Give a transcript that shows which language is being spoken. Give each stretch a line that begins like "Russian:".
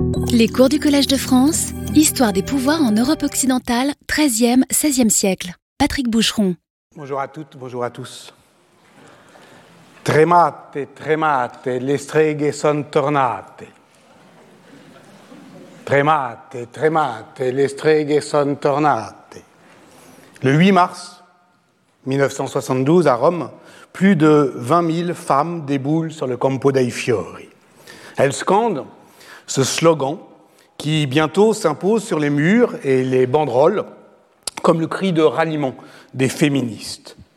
French: Les cours du Collège de France, Histoire des pouvoirs en Europe occidentale, 13e, 16e siècle. Patrick Boucheron. Bonjour à toutes, bonjour à tous.
Italian: Tremate, tremate, le streghe sono tornate. Tremate, tremate, le streghe sono tornate.
French: Le 8 mars 1972, à Rome, plus de 20 000 femmes déboulent sur le Campo dei Fiori. Elles scandent ce slogan qui bientôt s'impose sur les murs et les banderoles comme le cri de ralliement des féministes.